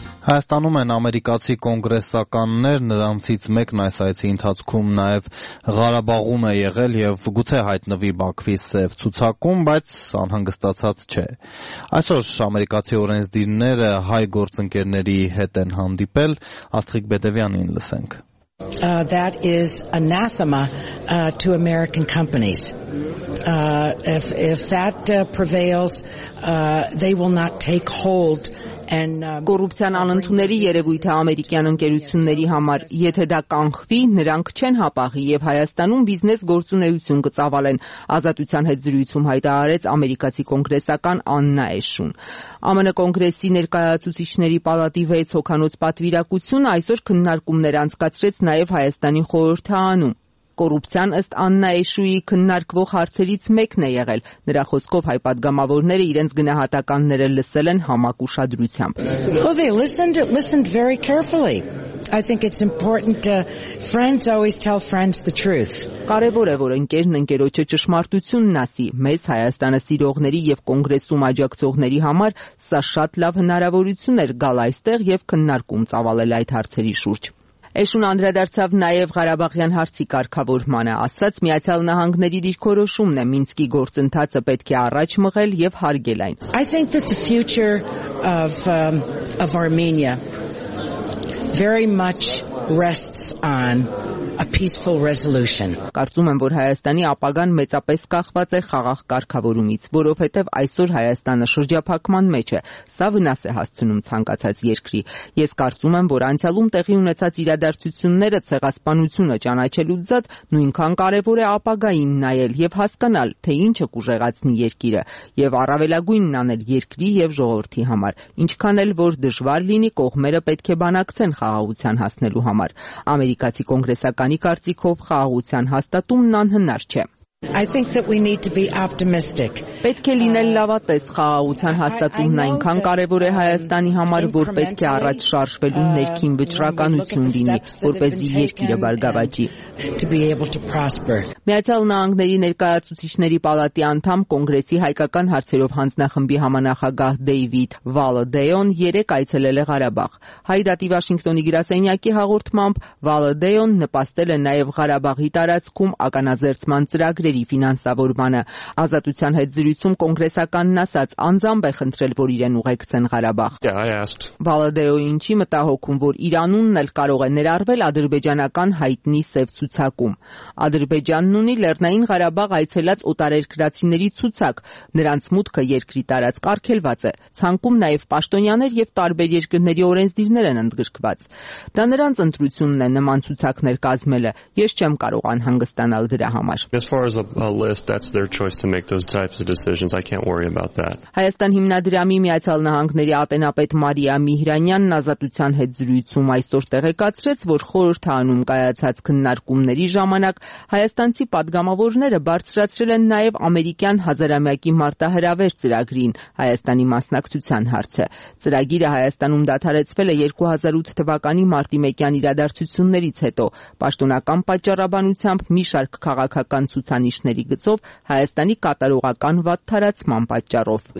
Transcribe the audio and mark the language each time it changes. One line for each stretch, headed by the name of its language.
Armenian: Հայաստանում են ամերիկացի կոնգրեսականներ, նրանցից մեկն այս այցի ընթացքում նաև Ղարաբաղում է եղել և գուցե հայտնվի Բաքվի սև ցուցակում, բայց անհանգստացած չէ։ Այսօր ամերիկացի օրենսդիրները հայ գործընկերների հետ են հանդիպել, Աստղիկ Բեդևյանին լսենք։
English: That is anathema to American companies. If that prevails, they will not take hold.
Armenian: Կոռուպցիան անընդունելի երևույթ է ամերիկյան ընկերությունների համար։ Եթե դա կանխվի, նրանք չեն հապաղի եւ Հայաստանում բիզնես գործունեություն կծավալեն, ազատության հետ զրույցում հայտարարեց ամերիկացի կոնգրեսական Աննա Էշուն։ ԱՄՆ կոնգրեսի ներկայացուցիչների պալատի 6 հոգանոց պատվիրակությունը այսօր քննարկումներ անցկացրեց նաեւ Հայաստանի խորհրդանանում։ Կոռուպցիան ըստ Աննա Էշուի քննարկվող հարցերից մեկն է եղել։ Նրա խոսքով հայ պատգամավորները իրենց գնահատականները լսել են համակուշադրությամբ։
English: I think it's important to friends always tell friends the truth.
Armenian: Կարևոր է որ ընկերն ընկերոջը ճշմարտությունն ասի։ Մեզ Հայաստանը սիրողների եւ կոնգրեսում աջակցողների համար սա շատ լավ հնարավորություն էր գալ այստեղ եւ քննարկում ծավալել այդ հարցերի շուրջ։ Էշուն անդրադարձավ նաև Ղարաբաղյան հարցի կարգավորմանը, ասաց՝ Միացյալ Նահանգների դիրքորոշումն է Մինսկի գործընթացը պետք է առաջ մղել եւ հարգել այն։
English: I think that the future of Armenia very much rests on a peaceful resolution.
Armenian: Կարծում եմ, որ Հայաստանի ապագան մեծապես կախված է խաղաղ կարգավորումից, որովհետև այսօր Հայաստանը շրջափակման մեջ է։ Սա վնաս է հասցնում ցանկացած երկրի։ Ես կարծում եմ, որ անցյալում տեղի ունեցած իրադարձությունները ցեղասպանությունը ճանաչելու ձեզ նույնքան կարևոր է ապագային նայել եւ հասկանալ, թե ինչը կուժեղացնի երկիրը եւ առավելագույնն անել երկրի եւ ժողովրդի համար։ Ինչքան էլ որ դժվար լինի, կողմերը պետք է բանակցեն խաղաղության հասնելու համար։ Ամերիկացի կոնգրեսի Կանի կարծիքով խաղաղության հաստատումն անհնար չէ։
English: I think that we need to be optimistic.
Armenian: Պետք է լինել լավատես խաղաղության հաստատումն այնքան կարևոր է Հայաստանի համար, որ պետք է առաջ շարժվելու ներքին վճռականություն լինի, որպեսզի երկիրը բարգավաճի։ Միացյալ Նահանգների ներկայացուցիչների պալատի անդամ կոնգրեսի հայկական հարցերով հանձնախմբի համանախագահ Դեյվիդ Վալադեյոն 3 այցելել է Ղարաբաղ։ Հայ դատի Վաշինգտոնի գրասենյակի հաղորդմամբ Վալադեյոն նպաստել է նաև Ղարաբաղի տարածքում ականաձերծման ծրագրի գրերի ֆինանսավորմանը։ Ազատության հետ զրույցում կոնգրեսականն ասաց, անձամբ է խնդրել, որ իրեն ուղեկցեն Ղարաբաղ։ Վալադեյոն չի մտահոգում, որ Իրանունն էլ կարող է ներառվել ադրբեջանական հայտնի սև ցուցակում։ Ադրբեջանն ունի Լեռնային Ղարաբաղ այցելած օտարերկրացիների ցուցակ, նրանց մուտքը երկրի տարածք արգելված է։ Ցանկում նաև պաշտոնյաներ եւ տարբեր երկրների օրենսդիրներ են ընդգրկված։ Դա նրանց ընտրությունն է նման ցուցակներ կազմելը։ Ես չեմ կարող անհանգստանալ դրա համար։
English: As far as a list, that's their choice to make those types of decisions. I can't worry about that.
Armenian: Հայաստան հիմնադրամի Միացյալ Նահանգների ատենապետ Մարիա Միհրանյանն ազատության հետ զրույցում այսօր տեղեկացրեց, որ խորհրդանանում կայացած քննարկումների ժամանակ հայաստանց Հայաստանցի պատգամավորները բարձրացրել են նաև ամերիկյան հազարամյակի մարտահրավեր ծրագրին Հայաստանի մասնակցության հարցը։ Ծրագիրը Հայաստանում դադարեցվել է 2008 թվականի մարտի 1-ին իրադարձություններից հետո։ Պաշտոնական պատճառաբանությամբ մի շարք քաղաքական ցուցանիշների գծով Հայաստանի կատարողական վատ տարածման պատճառով